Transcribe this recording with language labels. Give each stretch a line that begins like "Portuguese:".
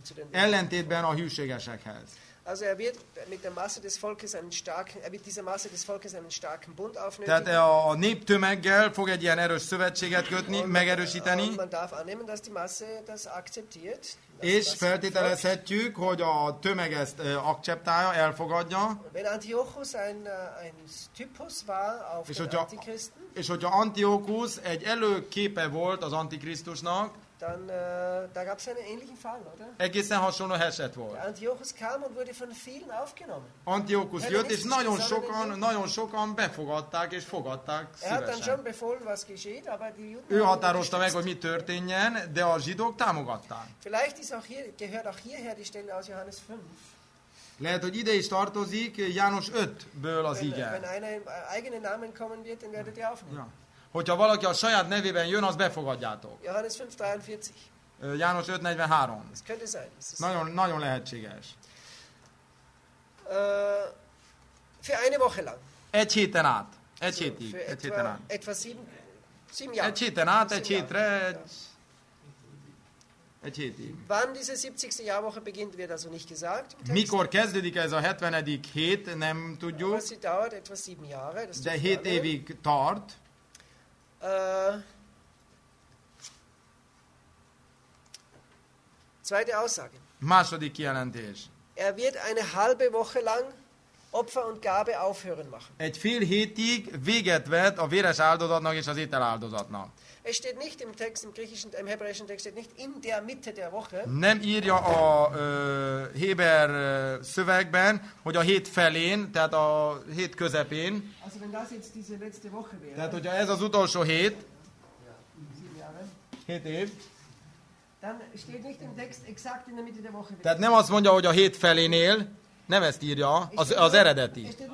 Hungarian: Ellentétben a hűségesekhez.
German: Also er wird mit der Masse des Volkes einen starken, er wird dieser Masse des Volkes einen starken Bund aufnehmen.
Hungarian: Tehát a néptömeggel fog egy ilyen erős szövetséget kötni, megerősíteni.
German: Man darf annehmen, dass die Masse das akzeptiert.
Hungarian: És feltételezhetjük, hogy a tömeg ezt akceptálja, elfogadja.
German: Wenn Antiochus ein Typus war auf den Antichristen.
Hungarian: És hogyha Antiochus egy előképe volt az Antikrisztusnak.
German: Dann da gab es einen ähnlichen Fall, oder?
Hungarian: Egészen hasonló eset volt.
German: Antiochus kam und wurde von vielen aufgenommen.
Hungarian: Antiochus jött, és nagyon sokan befogadták és fogadták szívesen.
German: Er hat dann schon befohlen, was geschieht, aber die Juden.
Hungarian: Ő határozta meg, hogy mi történjen, de a zsidók támogatták.
German: Vielleicht ist auch hier gehört auch hierher die Stelle aus Johannes 5.
Hungarian: Lehet, hogy ide is tartozik János 5-ből az ige.
German: Wenn einer im eigenen Namen kommen wird, dann werdet ihr aufnehmen. Ja.
Hungarian: Hogyha valaki a saját nevében jön, az befogadjátok.
German: Johannes 5:43.
Hungarian: János 5:43. Ez
German: könnte sein.
Hungarian: Nagyon, nagyon lehetséges.
German: Für eine Woche lang.
Hungarian: Egy héten át. Egy hétig. Egy héten át.
German: Etwa sieben Jahre.
Hungarian: Egy héten át, egy hétre. Egy hétig.
German: Wann diese 70. Jahrwoche beginnt, wird also nicht gesagt.
Hungarian: Mikor kezdődik ez a 70. hét, nem tudjuk.
German: Was sie dauert, etwa sieben Jahre.
Hungarian: De hét évig tart.
German: Zweite Aussage.
Hungarian: Második kijelentés.
German: Er wird eine halbe Woche lang Opfer und Gabe aufhören machen.
Hungarian: Egy fél hétig véget vet a véres áldozatnak és az ételáldozatnak.
German: Es steht nicht im Text, im griechischen, im hebräischen Text steht nicht in der Mitte der Woche.
Hungarian: Nem írja a héber szövegben, hogy a hét felén, tehát a hét közepén.
German: Also wenn das jetzt diese letzte Woche wäre.
Hungarian: Tehát hogyha ez az utolsó hét. Hét év.
German: Dann steht nicht im Text exakt in der Mitte der Woche.
Hungarian: Tehát nem azt mondja, hogy a hét felénél, nem ezt írja, az eredeti.